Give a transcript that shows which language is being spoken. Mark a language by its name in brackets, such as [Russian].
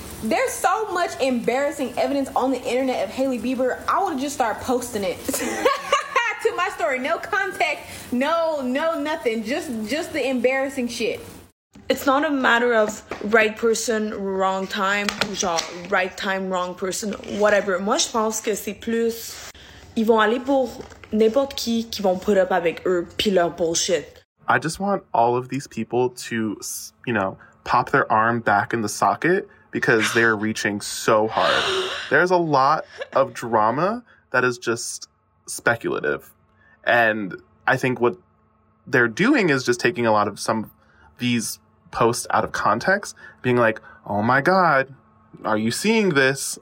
[English] There's so much embarrassing evidence on the internet of Hailey Bieber. I would have just started posting it to my story. No context. No, nothing. Just the embarrassing shit. It's not a matter of right person, wrong time, genre right time, wrong person, whatever. [French] Moi, je pense que c'est plus, ils vont aller pour n'importe qui vont [English] put up [French] avec eux pis leur bullshit. [English] I just want all of these people to, you know, pop their arm back in the socket because they're reaching so hard. There's a lot of drama that is just speculative. And I think what they're doing is just taking a lot of some of these post out of context, being like, oh my god, are you seeing this?